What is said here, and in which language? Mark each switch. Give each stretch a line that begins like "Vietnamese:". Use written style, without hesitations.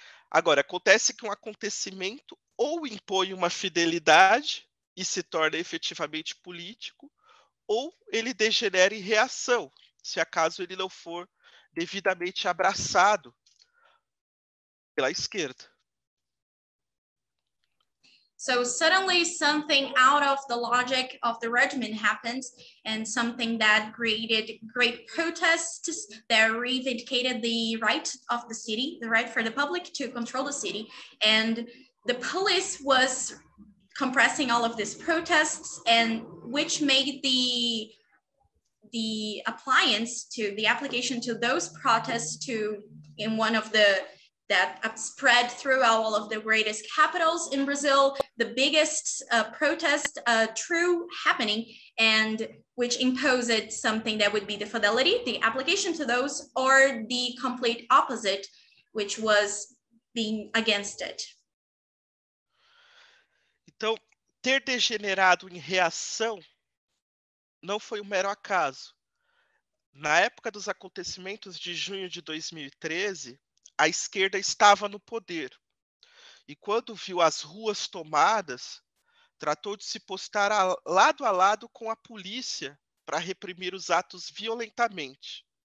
Portuguese: Agora, acontece que um acontecimento ou impõe uma fidelidade e se torna efetivamente político, ou ele degenera em reação, se acaso ele não for devidamente abraçado pela esquerda.
English: So suddenly something out of the logic of the regime happens, and something that created great protests that reivindicated the right of the city, the right for the public to control the city. And the police was compressing all of these protests, and which made the appliance to the application to those protests to in one of the that spread throughout all of the greatest capitals in Brazil, the biggest protest true happening, and which imposed something that would be the fidelity, the application to those, or the complete opposite, which was being against it.
Portuguese: Então, ter degenerado em reação não foi um mero acaso. Na época dos acontecimentos de junho de 2013, a esquerda estava no poder e, quando viu as ruas tomadas, tratou de se postar lado a lado com a polícia para reprimir os atos violentamente.